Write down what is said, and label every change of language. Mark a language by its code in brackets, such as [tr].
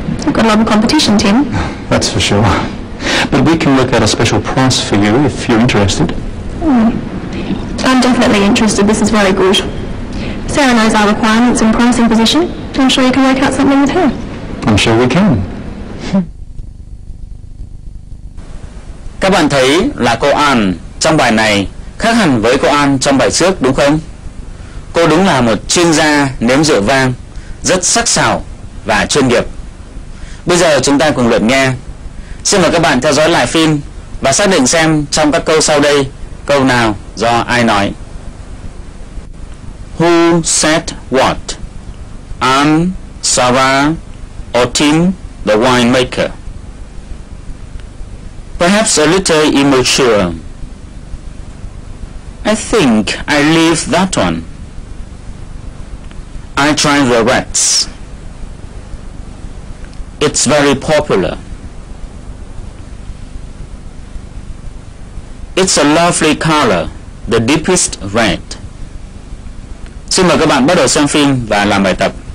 [en] We've got a lot of competition, Tim. That's for sure. But we can work out a special price for you if you're interested. I'm definitely interested. This is very good. Sarah knows our requirements and pricing position. I'm sure you can work out something with her. I'm sure we can. [vi] Các bạn thấy là cô An trong bài này khác hẳn với cô An trong bài trước đúng không? Cô đúng là một chuyên gia nếm rượu vang, rất sắc sảo và chuyên nghiệp. Bây giờ chúng ta cùng lượt nghe. Xin mời các bạn theo dõi lại phim và xác định xem trong các câu sau đây, câu nào do ai nói. [en] Who said what? Anne, Sarah or Tim, the winemaker? Perhaps a little immature. I think I leave that one. I try the reds. It's very popular. It's a lovely color, the deepest red. [vi] Xin mời các bạn bắt đầu xem phim và làm bài tập.